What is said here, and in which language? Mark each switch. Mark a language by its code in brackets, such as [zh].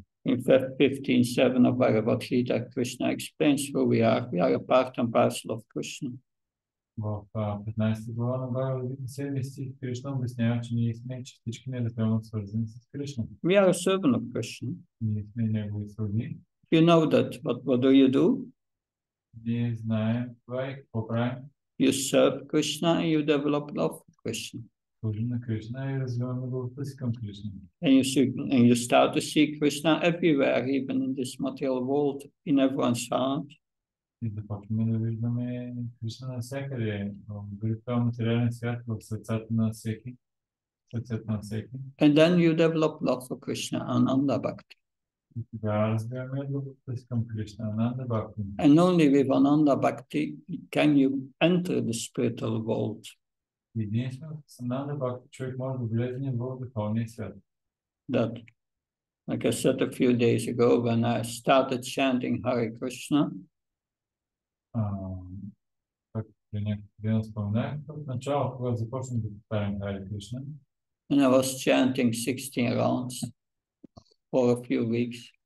[en] In 15.7 of Bhagavad Gita, Krishna explains who we are. We are a part and parcel of Krishna. [bg] В 15 глава на Бхагавад-гита 7 стих Кришна обяснява, че ние сме частички неразделно свързани с Кришна. [en] We are a servant of Krishna. [bg] Ние сме негови слуги. [en] You know that, but what do you do? [bg] Ние знаем това и какво правим. [en] You serve Krishna and you develop love for Krishna. [bg] Служим на Кришна и развиваме любовта си към Кришна. [en] And you start to see Krishna everywhere, even in this material world, in everyone's heart. [bg] И започваме да виждаме Кришна навсякъде, дори в този материален свят, в сърцата на всеки. [en] And then you develop love for Krishna Ananda Bhakti. [bg] И тогава разбираме любовта си към Кришна Ананда Бхакти. [en] And only with Ananda Bhakti can you enter the spiritual world. [bg] Единствено с Ананда Бхакти човек може да влезе в духовния свят. [en] That, like I said a few days ago, when I started chanting Hare Krishna, and I was chanting 16 rounds for a few weeks.